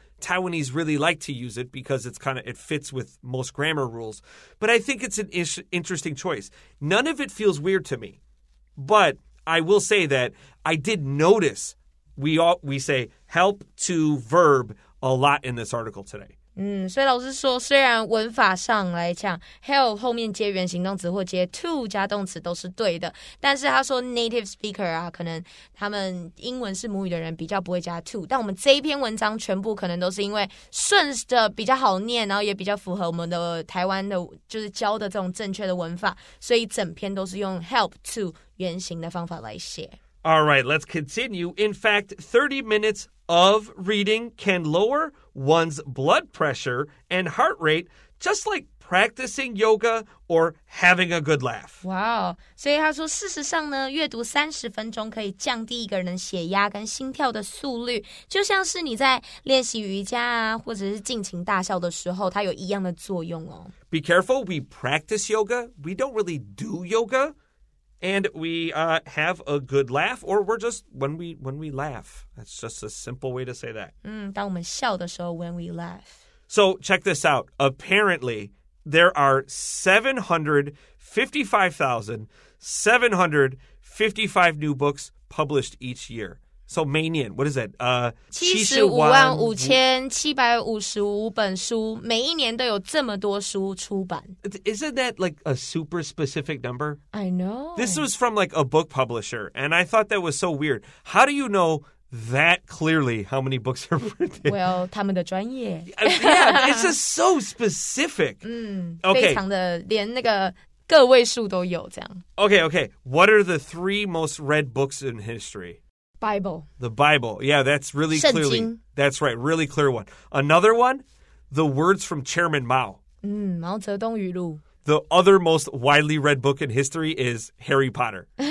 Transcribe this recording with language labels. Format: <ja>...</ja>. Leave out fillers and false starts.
<en>Taiwanese really like to use it because it fits with most grammar rules. But I think it's an interesting choice. None of it feels weird to me. But I will say that I did notice we say help to verb a lot in this article today.</en> <zh>所以老师说虽然文法上来讲 help 后面接原形动词或接 to 加动词都是对的，但是他说 native speaker 啊，可能他们英文是母语的人比较不会加 to， 但我们这一篇文章全部可能都是因为顺着比较好念，然后也比较符合我们的台湾的就是教的这种正确的文法，所以整篇都是用 help to 原形的方法来写。</zh> <en>All right, let's continue. In fact, 30 minutes of reading can lower one's blood pressure and heart rate, just like practicing yoga or having a good laugh. Wow.</en> <zh>所以他说事实上呢，阅读30分钟可以降低一个人的血压跟心跳的速率，就像是你在练习瑜伽啊，或者是尽情大笑的时候，它有一样的作用哦。</zh> <en>Be careful, we practice yoga. We don't really do yoga. And we have a good laugh, or we're just, when we laugh. That's just a simple way to say that.</en> <zh>当我们笑的时候,</zh> <en>when we laugh. So check this out. Apparently, there are 755,755 new books published each year. So, Minnie, what is it?</en> <zh>75,755 本书，每一年都有这么多书出版。</zh> <en>Isn't that like a super specific number? I know. This was from like a book publisher, and I thought that was so weird. How do you know that clearly how many books are printed? Well,</en> <zh>他们的专业。</zh> <en>Yeah, it's just so specific. Okay.</en> <zh>非常的，连那个个位数都有这样。</zh> <en>Okay. What are the three most read books in history? Bible. The Bible. Yeah, that's really</en> <zh>圣经.</zh> <en>Clearly. That's right. Really clear one. Another one, the words from Chairman Mao.</en> <zh>毛泽东语录.</zh> <en>The other most widely read book in history is Harry Potter.</en>